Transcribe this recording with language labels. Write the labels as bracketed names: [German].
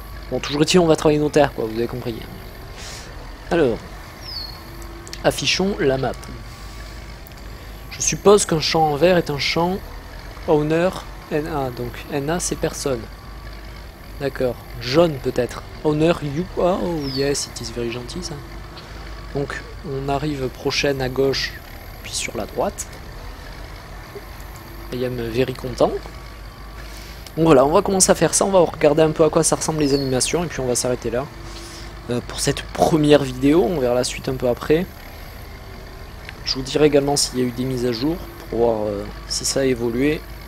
[French] Bon, toujours est-il, on va travailler nos terres, quoi, vous avez compris. Alors, affichons la map. Je suppose qu'un champ en vert est un champ owner NA. Donc NA, c'est personne. D'accord. Jaune peut-être. [English] Owner you. Oh yes, it is very [French] gentil ça. Donc on arrive prochaine à gauche, puis sur la droite. [English] I am very content. [French] Donc voilà, on va commencer à faire ça, on va regarder un peu à quoi ça ressemble les animations, et puis on va s'arrêter là pour cette première vidéo. On verra la suite un peu après. Je vous dirai également s'il y a eu des mises à jour pour voir si ça a évolué.